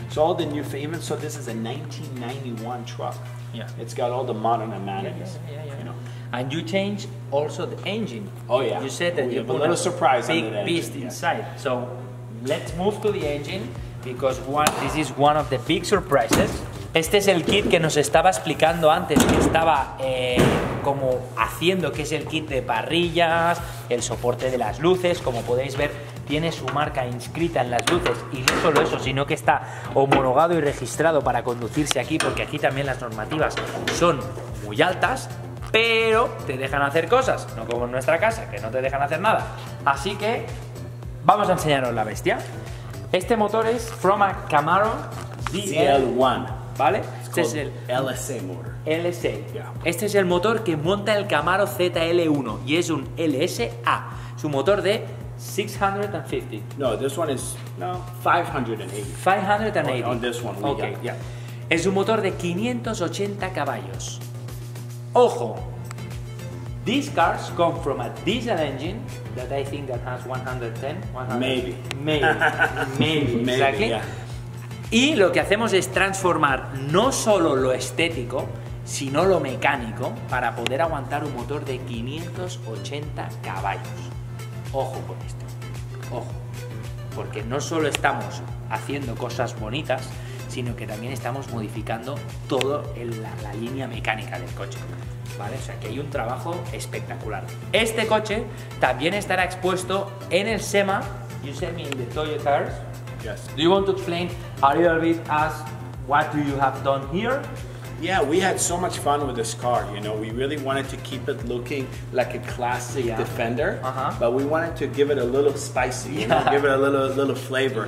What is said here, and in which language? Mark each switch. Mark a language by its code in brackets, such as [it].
[en] So all the new, even so, this is a 1991 truck. Yeah. It's got all the modern amenities. Yeah. And you change also the engine. Oh yeah. You said that we you have put a little surprise big on the beast engine. Inside. Yeah. So let's move to the engine because this is one of the big surprises. [es] Este es el kit que nos estaba explicando antes, que estaba como haciendo, que es el kit de parrillas, el soporte de las luces, como podéis ver, tiene su marca inscrita en las luces, y no solo eso, sino que está homologado y registrado para conducirse aquí, porque aquí también las normativas son muy altas, pero te dejan hacer cosas, no como en nuestra casa, que no te dejan hacer nada. Así que vamos a enseñaros la bestia. Este motor es [en] from a Camaro [es] ZL1. ¿Vale? Este es el LSA motor. LSA. [en] Yeah. [es] Este es el motor que monta el Camaro ZL1 y es un LSA. Es un motor de 650. [en] No, this one is no, 580. 580. On this one. Okay. Yeah. [es] Es un motor de 580 caballos. Ojo. [en] These cars come from a diesel engine that I think that has 110. 100. Maybe. Maybe. Maybe. Exactly. Yeah. [es] Y lo que hacemos es transformar no solo lo estético, sino lo mecánico, para poder aguantar un motor de 580 caballos. Ojo con esto, ojo. Porque no solo estamos haciendo cosas bonitas, sino que también estamos modificando toda la línea mecánica del coche. ¿Vale? O sea, que hay un trabajo espectacular. Este coche también estará expuesto en el SEMA. [en] You said me in the Toyo Cars. Yes. Do you want to explain a little bit as what do you have done here? Yeah, we had so much fun with this car, you know. We really wanted to keep it looking like a classic Defender, but we wanted to give it a little spicy, you know, give it a little flavor.